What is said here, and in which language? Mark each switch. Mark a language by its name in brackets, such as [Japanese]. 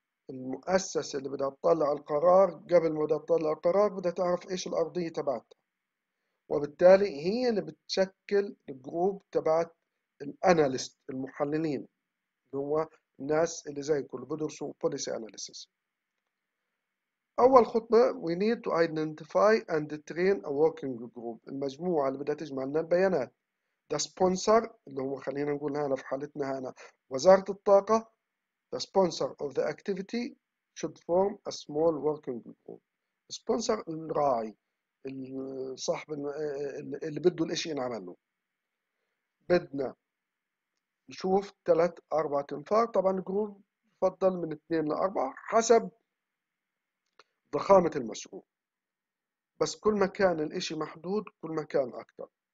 [Arabic] المؤسسه اللي بدها تطلع القرار، قبل ما بدها تطلع القرار بدها تعرف ايش الارضيه تبعتها، وبالتالي هي اللي بتشكل الجروب تبعت الاناليست المحللين، اللي هو الناس اللي زي كل بدرسوا بوليسي اناليسيس. أول خطبة [English] we need to identify and train a working group، [Arabic] المجموعة اللي بدها تجمع لنا البيانات. [English] The sponsor [Arabic] اللي هو خلينا نقول هنا في حالتنا هنا وزارة الطاقة. [English] The sponsor of the activity should form a small working group. [Arabic] Sponsor الراعي، صاحب اللي بده الإشي ينعمل له. بدنا نشوف 3-4 أنفار، طبعا الجروب يفضل من 2-4 حسب ضخامة المشروع، بس كل ما كان الإشي محدود كل ما كان أكثر.